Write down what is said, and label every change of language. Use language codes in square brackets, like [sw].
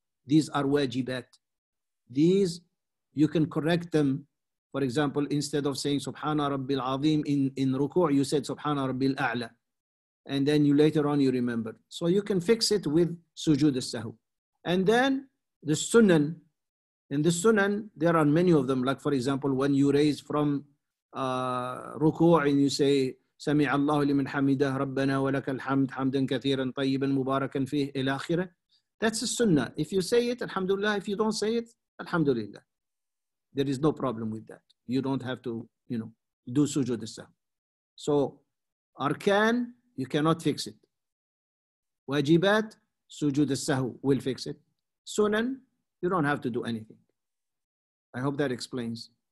[en] These are wajibat. These you can correct them. For example, instead of saying Subhana Rabbil Azim in ruku', you said Subhana Rabbil A'la. And then you later on you remember. So you can fix it with sujood as-sahu. And then the sunan. In the sunan, there are many of them. Like, for example, when you raise from ruku' and you say, [ar] سَمِعَ اللَّهُ لِمِنْ حَمِدَهُ رَبَّنَا وَلَكَ الْحَمْدُ حَمْدًا كَثِيرًا طَيِّبًا مُبَارَكًا فِيهِ إِلَى آخِرَةً. [en] That's a sunnah. If you say it, alhamdulillah. If you don't say it, alhamdulillah. There is no problem with that. You don't have to, you know, do sujood as-sahu. So, arkan, you cannot fix it. Wajibat, sujood as-sahu will fix it. Sunan, you don't have to do anything. I hope that explains.